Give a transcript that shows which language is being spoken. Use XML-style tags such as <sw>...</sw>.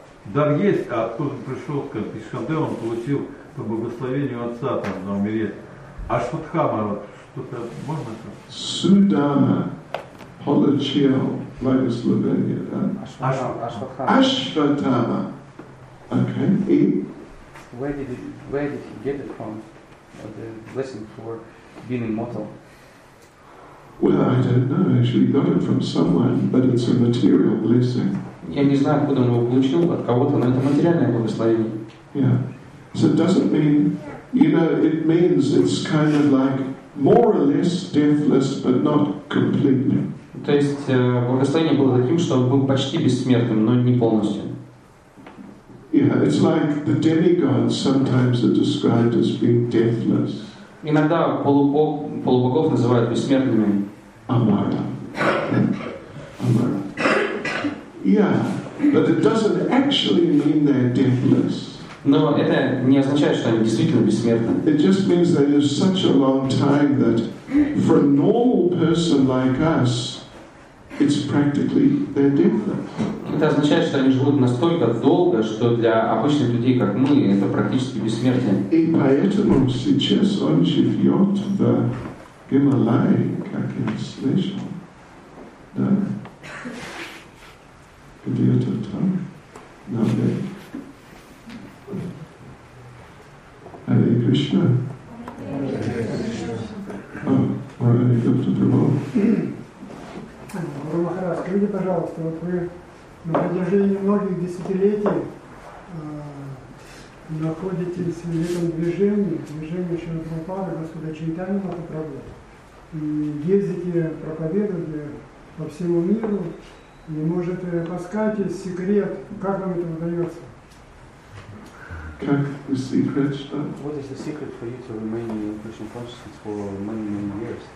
<ru>Дар есть, а откуда он пришел, как Ишкандер, он получил по благословению отца там, на умереть. Асватхама, вот, что-то можно сказать? Судама получил благословение, да? Асватхама. Асватхама. Окей, и?</ru> <en>where did he get it from, the blessing for being immortal? Well, I don't know. Actually, he got it from someone, but it's a material blessing.</en> <ru>Я не знаю, откуда он его получил, от кого-то, но это материальное благословение.</ru> <en>Yeah. So it doesn't mean, you know, it means it's kind of like more or less deathless, but not completely.</en> <ru>То есть благословение было таким, что он был почти бессмертным, но не полностью.</ru> <en>Yeah, it's like the demigods sometimes are described as being deathless.</en> <ru>Иногда полубогов называют бессмертными. Амара. Амара.</ru> <en>Yeah, but it doesn't actually mean they're deathless.</en> <ru>Но это не означает, что они действительно бессмертны.</ru> <en>It just means that it's such a long time that for a normal person like us, it's practically they're deathless.</en> <ru>Это означает, что они живут настолько долго, что для обычных людей, как мы, это практически бессмертие. И поэтому сейчас он живет в Гималае, как я слышал, да? Где-то там, на Бе.</ru> <sa>Hare Krishna. Hare Krishna. Oh, Hare Krishna.</sa> <ru>Гуру Махарадж, скажите, пожалуйста, вот вы на протяжении многих десятилетий находитесь в этом движении, движении Шрилы-Прабхупады, Господа Чайтаньи Махапрабху, ездите, проповедуете по всему миру, и, может, подскажете секрет, как вам это удается? Как</ru> <en>the secret stuff? What is the secret for you to remain in Christian consciousness for many, many years?</en>